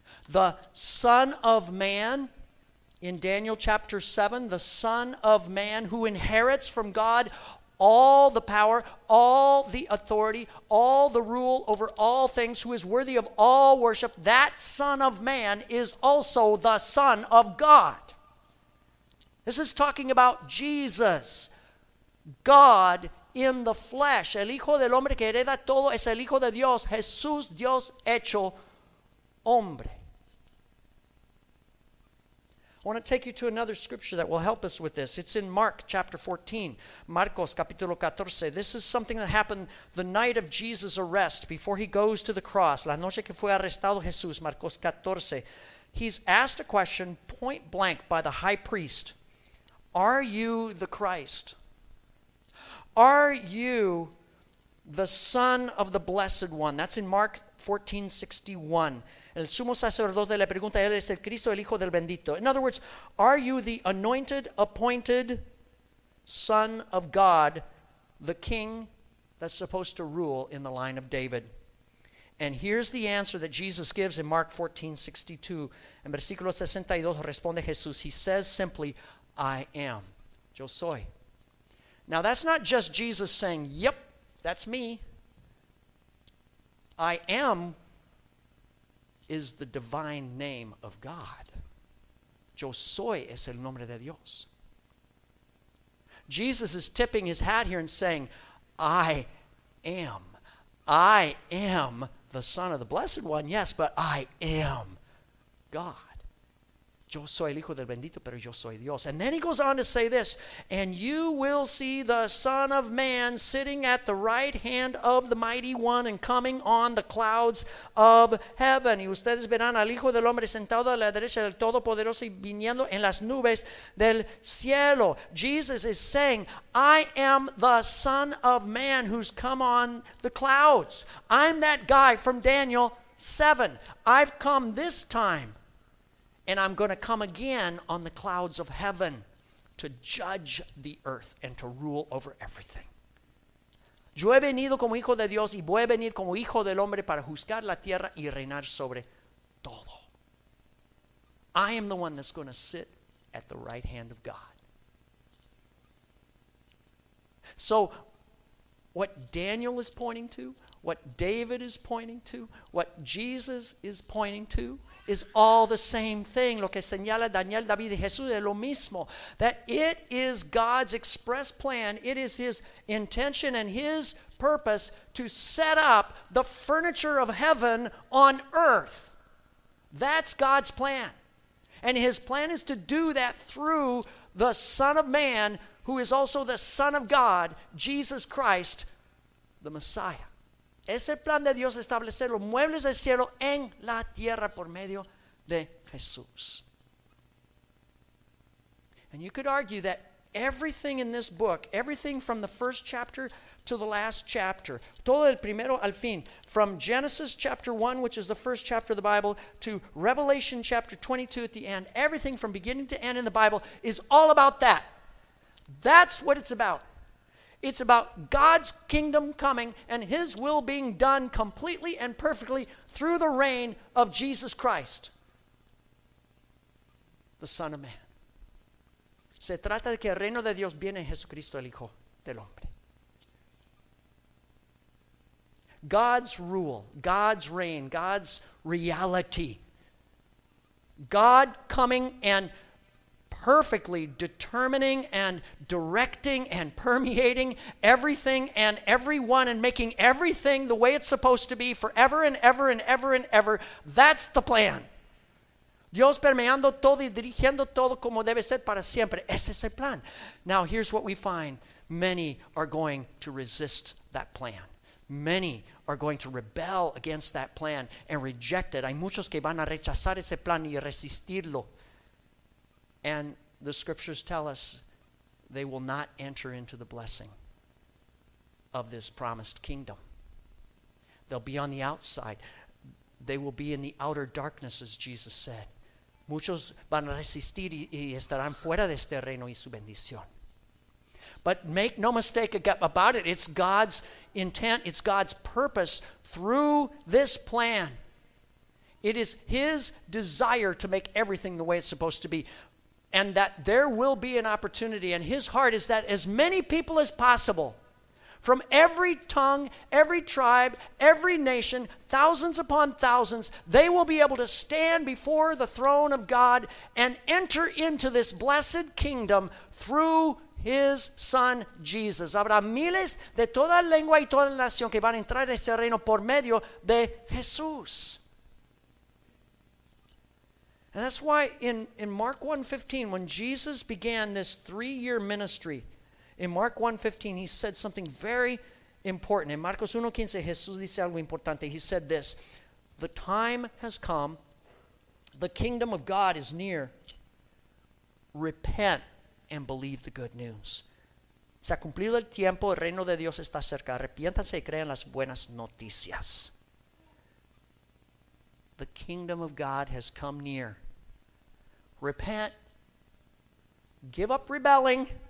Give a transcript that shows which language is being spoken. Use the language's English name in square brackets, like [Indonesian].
[English] The Son of Man, in Daniel chapter 7, the Son of Man who inherits from God all the power, all the authority, all the rule over all things, who is worthy of all worship, that Son of Man is also the Son of God. This is talking about Jesus, God in the flesh. [Spanish] El Hijo del Hombre que hereda todo es el Hijo de Dios, Jesús, Dios hecho hombre. [English] I want to take you to another scripture that will help us with this. It's in Mark chapter 14. [Spanish] Marcos capítulo 14. [English] This is something that happened the night of Jesus' arrest before he goes to the cross. [Spanish] La noche que fue arrestado Jesús, Marcos 14. [English] He's asked a question point blank by the high priest. Are you the Christ? Are you the Son of the Blessed One? That's in Mark 14:61. [Spanish] El sumo sacerdote le pregunta, ¿él es el Cristo, el Hijo del Bendito? [English] In other words, are you the anointed, appointed Son of God, the King that's supposed to rule in the line of David? And here's the answer that Jesus gives in Mark 14:62. [Spanish] En versículo 62 responde Jesús. [English] He says simply, I am. [Spanish] Yo soy. [English] Now that's not just Jesus saying, yep, that's me. I am is the divine name of God. [Spanish] Yo soy es el nombre de Dios. [English] Jesus is tipping his hat here and saying, I am the Son of the Blessed One, yes, but I am God. [Spanish] Yo soy el Hijo del Bendito, pero yo soy Dios. [English] And then he goes on to say this, and you will see the Son of Man sitting at the right hand of the Mighty One and coming on the clouds of heaven. [Spanish] Y ustedes verán al Hijo del Hombre sentado a la derecha del Todopoderoso y viniendo en las nubes del cielo. [English] Jesus is saying, I am the Son of Man who's come on the clouds. I'm that guy from Daniel 7. I've come this time. And I'm going to come again on the clouds of heaven to judge the earth and to rule over everything. [Spanish] Yo he venido como hijo de Dios y voy a venir como hijo del hombre para juzgar la tierra y reinar sobre todo. [English] I am the one that's going to sit at the right hand of God. So what Daniel is pointing to, what David is pointing to, what Jesus is pointing to, is all the same thing. [Spanish] Lo que señala Daniel, David y Jesús es lo mismo. [English] That it is God's express plan. It is his intention and his purpose to set up the furniture of heaven on earth. That's God's plan. And his plan is to do that through the Son of Man, who is also the Son of God, Jesus Christ, the Messiah. [Spanish] Es el plan de Dios establecer los muebles del cielo en la tierra por medio de Jesús. [English] And you could argue that everything in this book, everything from the first chapter to the last chapter, [Spanish] todo el primero al fin, [English] from Genesis chapter 1, which is the first chapter of the Bible, to Revelation chapter 22 at the end, everything from beginning to end in the Bible is all about that. That's what it's about. It's about God's kingdom coming and his will being done completely and perfectly through the reign of Jesus Christ, the Son of Man. [Spanish] Se trata de que el reino de Dios viene en Jesucristo, el Hijo del Hombre. [English] God's rule, God's reign, God's reality. God coming and perfectly determining and directing and permeating everything and everyone and making everything the way it's supposed to be forever and ever and ever and ever. That's the plan. [Spanish] Dios permeando todo y dirigiendo todo como debe ser para siempre. Ese es el plan. [English] Now here's what we find. Many are going to resist that plan. Many are going to rebel against that plan and reject it. [Spanish] Hay muchos que van a rechazar ese plan y resistirlo. [English] And the scriptures tell us they will not enter into the blessing of this promised kingdom. They'll be on the outside. They will be in the outer darkness, as Jesus said. [Spanish] Muchos van a resistir y estarán fuera de este reino y su bendición. [English] But make no mistake about it. It's God's intent. It's God's purpose through this plan. It is his desire to make everything the way it's supposed to be. And that there will be an opportunity, and his heart is that as many people as possible from every tongue, every tribe, every nation, thousands upon thousands, they will be able to stand before the throne of God and enter into this blessed kingdom through his son Jesus. [Spanish] Habrá miles de toda lengua y toda nación que van a entrar en ese reino por medio de Jesús. [English] And that's why in Mark 1:15, when Jesus began this 3-year ministry, in Mark 1:15, he said something very important. In [Spanish] Marcos 1:15, Jesús dice algo importante. [English] He said this: the time has come, the kingdom of God is near. Repent and believe the good news. [Spanish] Se ha cumplido el tiempo, el reino de Dios está cerca. Arrepiéntanse y crean las buenas noticias. [English] The kingdom of God has come near. Repent. Give up rebelling.